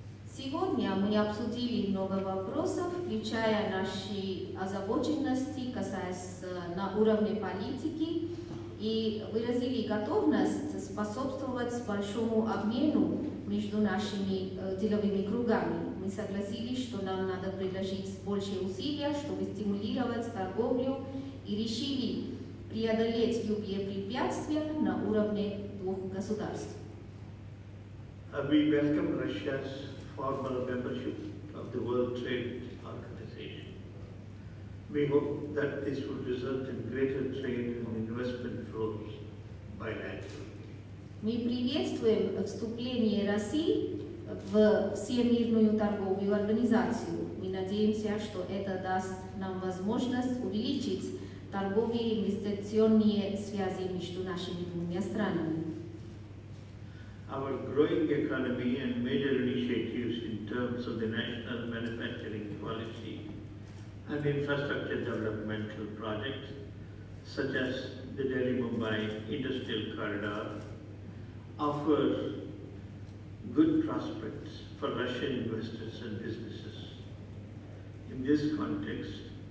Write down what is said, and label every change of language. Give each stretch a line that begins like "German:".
Russian: Сегодня мы обсудили много вопросов, включая наши озабоченности, касаясь на уровне политики, и выразили готовность способствовать большому обмену между нашими деловыми кругами. Мы согласились, что нам надо приложить больше усилий, чтобы стимулировать торговлю, и решили преодолеть любые препятствия на уровне двух государств.
English: We welcome Russia's formal membership of the World Trade Organization. We hope that this will result in greater trade and investment flows bilaterally.
Russian: Мы приветствуем вступление России в Всемирную торговую организацию. Мы надеемся, что это даст нам возможность увеличить торговые и инвестиционные связи между нашими двумя странами.
English: Our growing economy and major initiatives in terms of the national manufacturing policy and infrastructure developmental projects, such as the Delhi-Mumbai Industrial Corridor, offer good prospects for Russian investors and businesses. In this context,